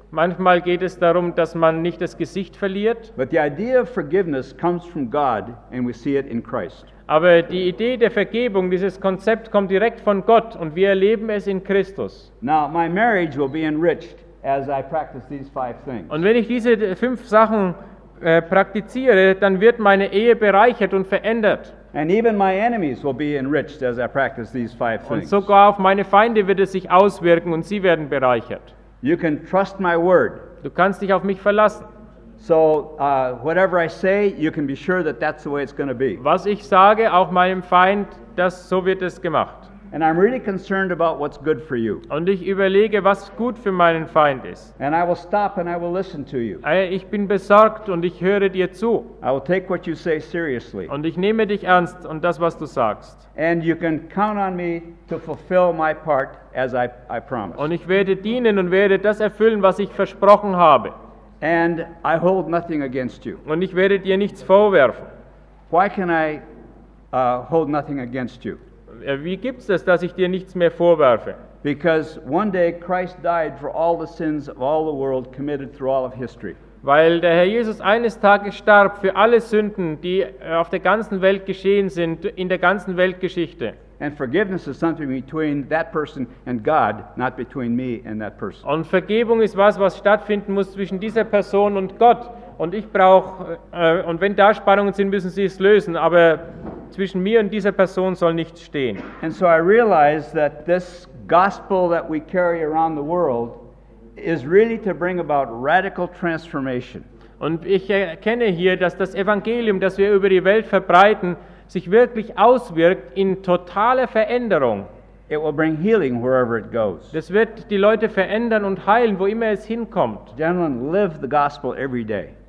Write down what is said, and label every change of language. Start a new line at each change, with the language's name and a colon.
German: Manchmal geht es darum, dass man nicht das Gesicht verliert.
English: But the idea of forgiveness comes from God and we see it in Christ.
German: Aber die Idee der Vergebung, dieses Konzept kommt direkt von Gott und wir erleben es in Christus.
English: Now my marriage will be enriched as I practice these five things.
German: Und wenn ich diese fünf Sachen praktiziere, dann wird meine Ehe bereichert und verändert.
English: And even my enemies will be enriched as I practice these five things.
German: Und sogar auf meine Feinde wird es sich auswirken und sie werden bereichert.
English: You can trust my word.
German: Du kannst dich auf mich verlassen.
English: So whatever I say, you can be sure that that's the way it's going to be.
German: Was ich sage, auch meinem Feind, das so wird es gemacht.
English: And I'm really concerned about what's good for you.
German: Und ich überlege, was gut für meinen Feind ist.
English: And I will stop and I will listen to you.
German: Ich bin besorgt und ich höre dir zu.
English: I will take what you say seriously.
German: Und ich nehme dich ernst und das, was du sagst.
English: And you can count on me to fulfill my part as I promised.
German: Und ich werde dienen und werde das erfüllen, was ich versprochen habe.
English: And I hold nothing against you.
German: Und ich werde dir nichts vorwerfen.
English: Why can I hold nothing against you?
German: Wie gibt es das, dass ich dir nichts mehr vorwerfe?
English: Because one day Christ died for all the sins of all the world committed through all of history.
German: Weil der Herr Jesus eines Tages starb für alle Sünden, die auf der ganzen Welt geschehen sind, in der ganzen Weltgeschichte.
English: And forgiveness is something between that person and God, not between me and that person.
German: Und Vergebung ist was stattfinden muss zwischen dieser Person und Gott. Und ich brauche, wenn da Spannungen sind, müssen sie es lösen, aber zwischen mir und dieser Person soll nichts stehen.
English: And so I realize that this gospel that we carry around the world is really to bring about radical transformation.
German: Und ich erkenne hier, dass das Evangelium, das wir über die Welt verbreiten, sich wirklich auswirkt in totale Veränderung.
English: It will bring healing wherever it goes.
German: Das wird die Leute verändern und heilen, wo immer es hinkommt.
English: Gentlemen, live the gospel every day.